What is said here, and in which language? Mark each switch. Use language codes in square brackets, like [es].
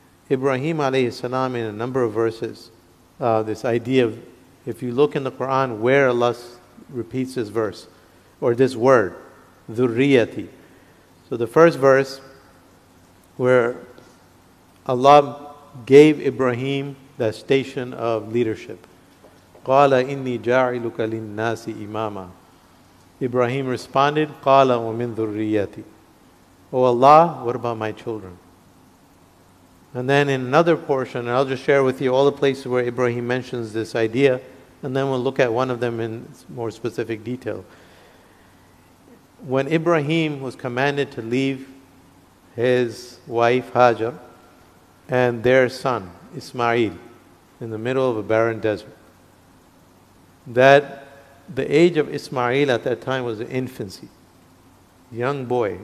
[en] Ibrahim alayhi salam, in a number of verses, this idea of, if you look in the Quran where Allah repeats this verse or this word, dhurriyati. So the first verse where Allah gave Ibrahim that station of leadership. [ar] قَالَ إِنِّي جَاعِلُكَ لِلنَّاسِ إِمَامًا. [en] Ibrahim responded, [ar] قَالَ وَمِن ذُرِّيَّتِي. [en] O Allah, what about my children? And then in another portion, and I'll just share with you all the places where Ibrahim mentions this idea, and then we'll look at one of them in more specific detail. When Ibrahim was commanded to leave his wife Hajar and their son Ismail in the middle of a barren desert, that the age of Ismail at that time was infancy, young boy.